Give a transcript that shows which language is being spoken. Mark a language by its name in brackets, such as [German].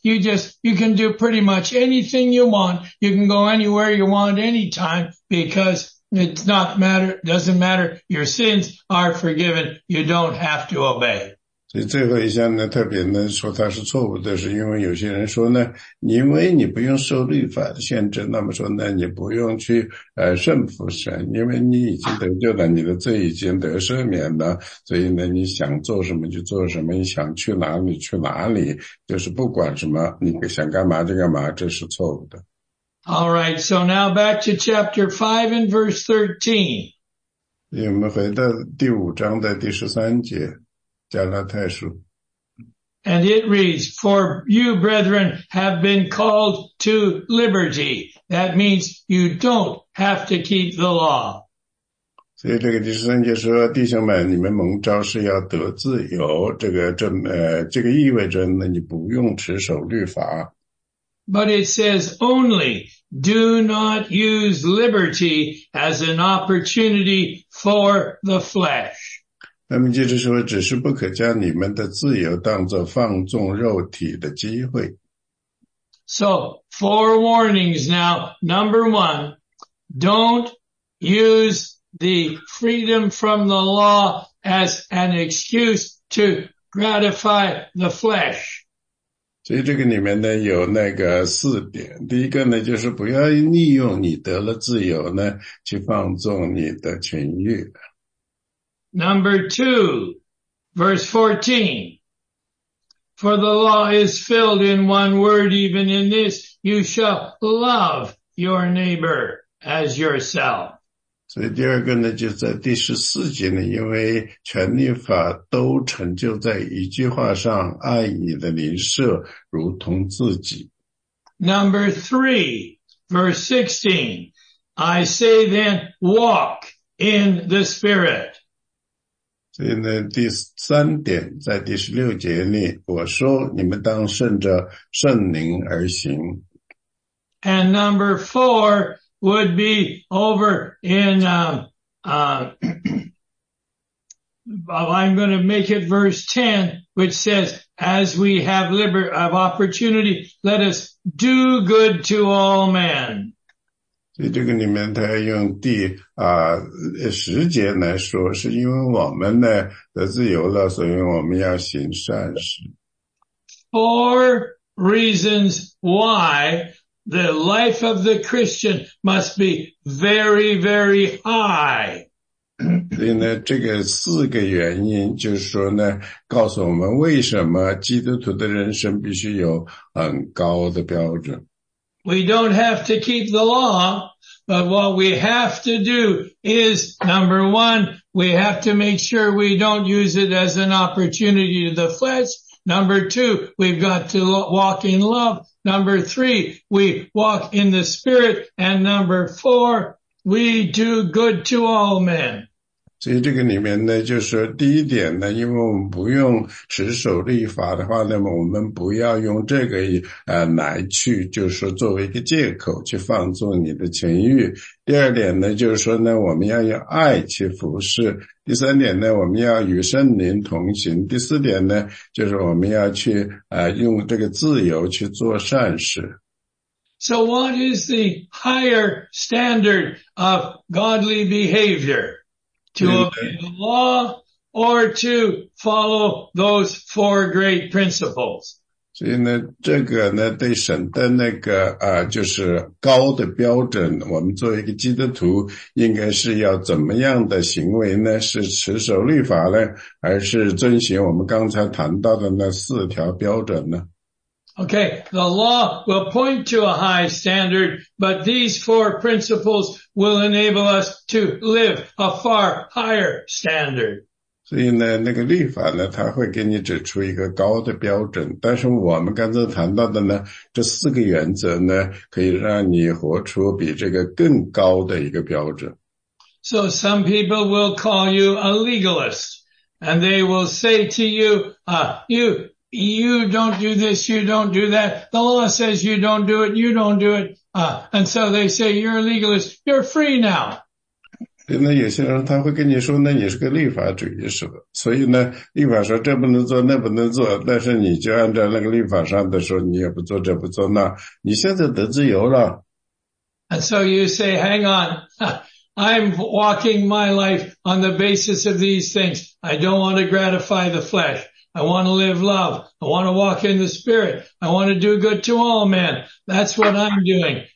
[English] You can do pretty much anything you want. You can go anywhere you want anytime because doesn't matter. Your sins are forgiven. You don't have to obey. [Chinese] 所以最后一项呢，特别呢说它是错误的，是因为有些人说呢，因为你不用受律法的限制，那么说呢，你不用去顺服神，因为你已经得救了，你的罪已经得赦免了，所以呢，你想做什么就做什么，你想去哪里去哪里，就是不管什么，你想干嘛就干嘛，这是错误的。 [English] All right, so now back to chapter 5 and verse [Chinese] 13. 我们回到第五章的第十三节。加拉太书。 [English] And it reads, For you, brethren, have been called to liberty. That means you don't have to keep the law. [Chinese] 所以这个第十三节说，弟兄们，你们蒙召是要得自由，这个意味着呢，你不用持守律法。 [English] But it says only, do not use liberty as an opportunity for the flesh. [Chinese] 那么接着说，只是不可将你们的自由当作放纵肉体的机会。 [English] So, four warnings now. Number one, don't use the freedom from the law as an excuse to gratify the flesh. [Chinese] 所以这个里面呢有那个四点。第一个呢就是不要利用你得了自由呢去放纵你的情欲。 [English] Number two, verse 14. For the law is filled in one word, even in this, you shall love your neighbor as yourself. [Chinese] 所以第二个呢，就在第十四节呢，因为全律法都成就在一句话上，爱你的邻舍如同自己。 [English] Number three, verse 16, I say then, walk in the Spirit. [Chinese] 所以呢第三点在第十六节里我说你们当顺着圣灵而行。 [English] And number four would be over in, I'm going to make it verse 10, which says, as we have liberty of opportunity, let us do good to all men. [Chinese] 所以这个里面他要用第十节来说，是因为我们呢得自由了，所以我们要行善事。 [English] Four reasons why the life of the Christian must be very, very high. [Chinese] 所以呢，这个四个原因就是说呢，告诉我们为什么基督徒的人生必须有很高的标准。 [English] We don't have to keep the law, but what we have to do is, number one, we have to make sure we don't use it as an opportunity to the flesh. Number two, we've got to walk in love. Number three, we walk in the Spirit. And number four, we do good to all men. [Chinese] 所以这个里面呢就是第一点呢，因为我们不用持守律法的话，那么我们不要用这个来去就是说作为一个借口去放纵你的情欲。第二点呢就是说呢，我们要用爱去服侍。第三点呢，我们要与圣灵同行。第四点呢就是我们要去用这个自由去做善事。 [English] So what is the higher standard of godly behavior? To obey the law or to follow those four great principles. [Chinese] 所以呢这个呢对神的那个就是高的标准，我们作为一个基督徒应该是要怎么样的行为呢？是持守律法呢，还是遵循我们刚才谈到的那四条标准呢？ [English] Okay, the law will point to a high standard, but these four principles will enable us to live a far higher standard. [Chinese] 所以呢，那个律法呢，它会给你指出一个高的标准，但是我们刚才谈到的呢，这四个原则呢，可以让你活出比这个更高的一个标准。 [English] So some people will call you a legalist, and they will say to you, You don't do this, you don't do that. The law says you don't do it, you don't do it. And so they say, you're a legalist, you're free now. [Chinese] 那有些人他会跟你说，那你是个律法主义者。所以呢，律法说这不能做，那不能做，但是你就按照那个律法上的说，你也不做这不做那。你现在得自由了。 [English] And so you say, hang on, I'm walking my life on the basis of these things. I don't want to gratify the flesh. I want to live love. I want to walk in the Spirit. I want to do good to all men. That's what I'm doing.